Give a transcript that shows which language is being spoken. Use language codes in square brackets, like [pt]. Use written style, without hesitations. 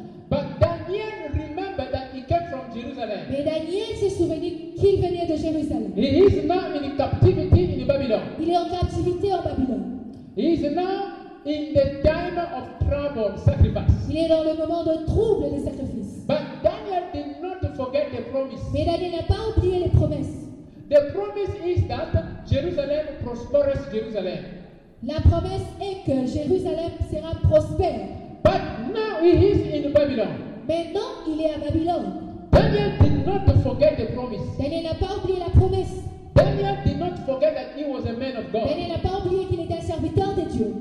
[en] But Daniel remembered that he came from Jerusalem. [fr] Mais Daniel s'est souvenu qu'il venait de Jérusalem. [en] He is now in captivity in Babylon. [fr] Il est en captivité en Babylone. [en] He is now in the time of trouble, sacrifice. [fr] Il est dans le moment de trouble et de sacrifice. [en] But Daniel did not forget the promise. [fr] Mais Daniel n'a pas oublié les promesses. [en] The promise is that Jerusalem prospers Jerusalem. [fr] La promesse est que Jérusalem sera prospère. [en] But now he is in Babylon. [fr] Maintenant, il est à Babylone. [en] Daniel did not forget the promise. [fr] Daniel n'a pas oublié la promesse. [en] Daniel did not forget that he was a man of God. [fr] Daniel n'a pas oublié qu'il était un serviteur de Dieu.